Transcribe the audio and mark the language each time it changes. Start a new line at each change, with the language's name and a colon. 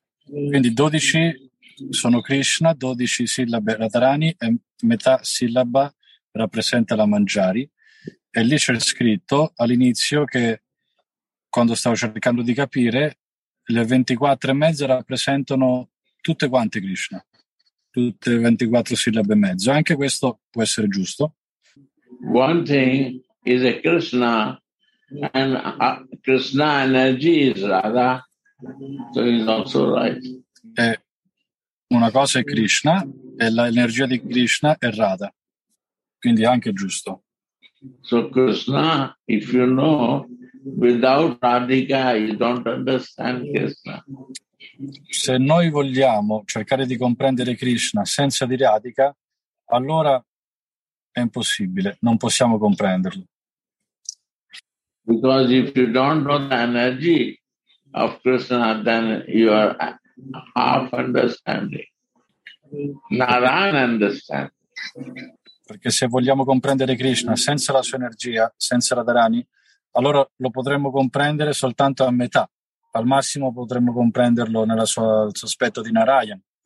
Italian: Quindi 12 sono Krishna, 12 sillabe Radharani e metà sillaba rappresenta la Manjari. E lì c'è scritto all'inizio che quando stavo cercando di capire le 24 e mezza rappresentano tutte quante Krishna, tutte 24 sillabe e mezzo. Anche questo può essere giusto.
English: One thing is a Krishna, and a Krishna energy is Radha, so it's also right.
Italian: E una cosa è Krishna, e l'energia di Krishna è Radha, quindi anche giusto.
English: So Krishna, if you know, without Radhika, you don't understand Krishna.
Italian: Se noi vogliamo cercare di comprendere Krishna senza di Radhika, allora è impossibile, non possiamo comprenderlo.
English: Because if you don't know the energy of Krishna, then you are half understanding. Narayana understands.
Italian: Perché se vogliamo comprendere Krishna senza la sua energia, senza Radharani, allora lo potremmo comprendere soltanto a metà. Al massimo potremmo comprenderlo nel suo aspetto di Narayan.